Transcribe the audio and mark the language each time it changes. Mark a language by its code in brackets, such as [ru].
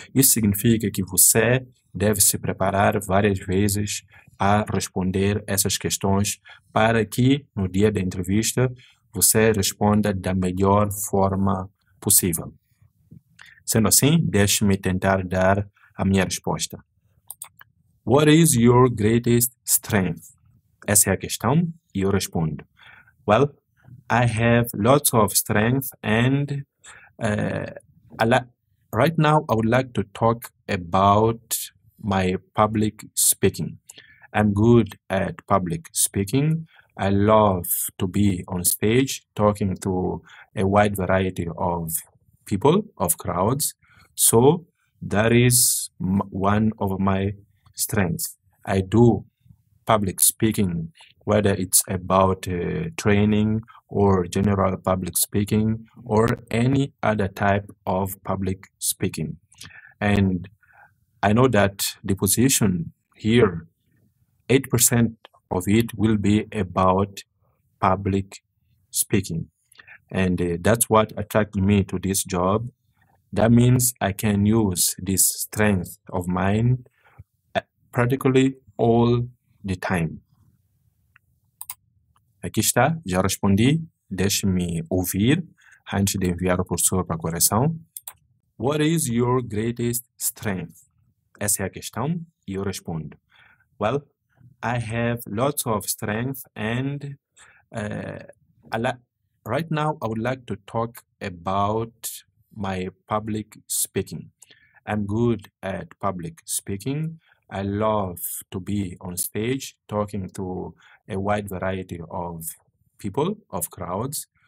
[pt] Isso significa que você deve se preparar várias vezes a responder essas questões para que no dia da entrevista você responda da melhor forma possível. Sendo assim, deixe-me tentar dar a minha resposta. [en] What is your greatest strength? [pt] Essa é a questão e eu respondo. [en] Well, I have lots of strength and right now I would like to talk about my public speaking. I'm good at public speaking. I love to be on stage talking to a wide variety of people, of crowds. So that is one of my strengths. I do public speaking, whether it's about training or general public speaking or any other type of public speaking. And I know that the position here, 8% of it will be about public speaking. And that's what attracted me to this job. That means I can use this strength of mine practically all the time. [pt] Aqui está, já respondi. Deixe-me ouvir antes de enviar o professor para a correção. [en] What is your greatest strength? [pt] Essa é a questão e eu respondo. [en] Well, I have lots of strength and right now I would like to talk about my public speaking. I'm good at public speaking. I love to be on stage talking to a wide variety of people, of crowds.